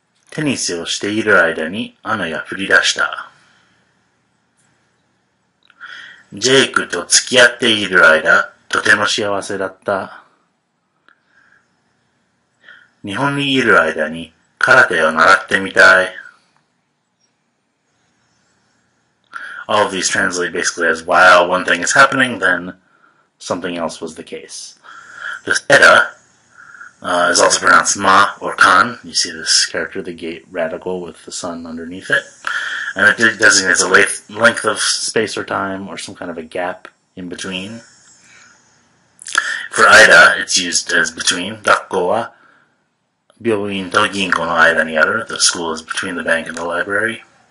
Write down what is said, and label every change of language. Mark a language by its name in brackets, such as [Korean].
[Japanese] テニスをしている間に雨が降り出した。ジェイクと付き合っている間、とても幸せだった。日本にいる間に空手を習ってみたい。 [English] All of these translate basically as while one thing is happening, then something else was the case. The eta, is also pronounced ma or kan. You see this character, the gate radical with the sun underneath it. And it designates a length of space or time or some kind of a gap in between. For ida, it's used as between. [Japanese] 学校は病院と銀行の間にある。 [English] The school is between the bank and the library.